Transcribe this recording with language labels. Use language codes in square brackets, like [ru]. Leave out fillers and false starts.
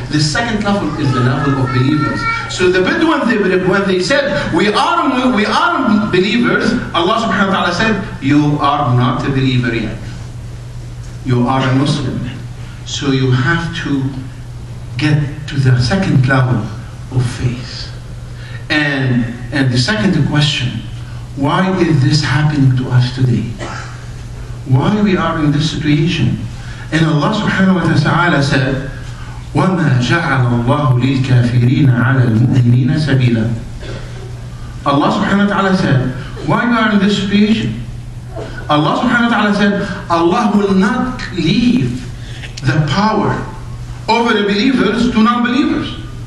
[en] The second level is the level of believers. So the Bedouin, when they said, we are believers, Allah subhanahu wa ta'ala said, you are not a believer yet. You are a Muslim. So you have to get to the second level of faith. And the second question, why is this happening to us today? Why we are in this situation? And Allah subhanahu wa ta'ala said, [ar] وَمَا جَعَلَ اللَّهُ لِلْكَافِرِينَ عَلَى الْمُؤْمِنِينَ سَبِيلًا. [en] Allah subhanahu wa ta'ala said, why we are in this situation? Allah subhanahu wa ta'ala said, Allah will not leave the power over the believers to non-believers.